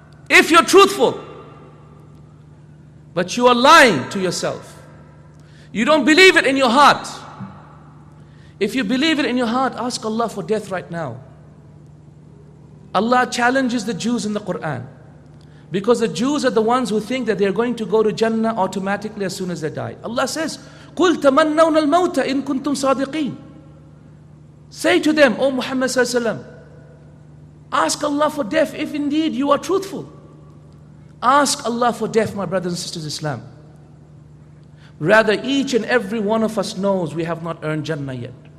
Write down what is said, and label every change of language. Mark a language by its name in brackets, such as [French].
[English] If you're truthful, but you are lying to yourself. You don't believe it in your heart. If you believe it in your heart, ask Allah for death right now. Allah challenges the Jews in the Quran. Because the Jews are the ones who think that they are going to go to Jannah automatically as soon as they die. [Arabic] Allah says, قُلْ تَمَنَّوْنَ الْمَوْتَ إِن كُنْتُمْ صَادِقِينَ. [English] Say to them, O Muhammad Sallallahu Alaihi Wasallam, ask Allah for death if indeed you are truthful. Ask Allah for death, my brothers and sisters in Islam. Rather, each and every one of us knows we have not earned Jannah yet.